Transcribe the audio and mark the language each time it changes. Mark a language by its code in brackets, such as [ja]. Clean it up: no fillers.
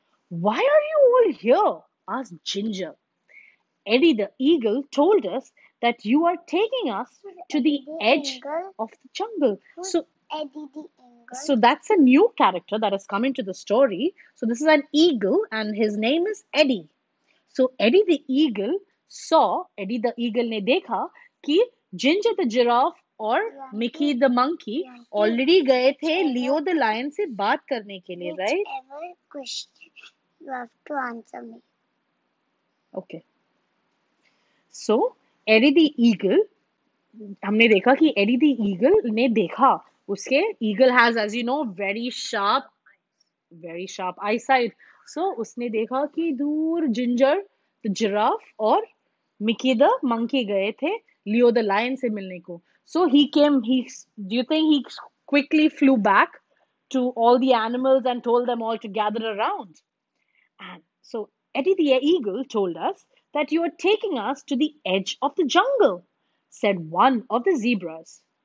[en] Why are you all here? Asked Ginger. Eddie the eagle told us that you are taking us to the edge of the jungle. So, Eddie the eagle. So that's a new character that has come into the story. So this is an eagle and his name is Eddie. So Eddie the eagle saw, [hi] Eddie the eagle ne dekha ki Ginger the giraffe और Mickey the monkey already गए थे Leo the lion से बात करने के लिए. [en] Right, question you have to answer me. [hi] Okay, so AD the eagle, हमने देखा कि एडी द ईगल ने देखा, उसके eagle [en] Has as you know very sharp eyesight. [hi] सो उसने देखा कि दूर जिंजर द जिराफ और मिकी द मंकी गए थे लियो द लायन से मिलने को. [en] So he came, he, do you think he quickly flew back to all the animals and told them all to gather around? And so Eddie the eagle told us that you are taking us to the edge of the jungle, said one of the zebras.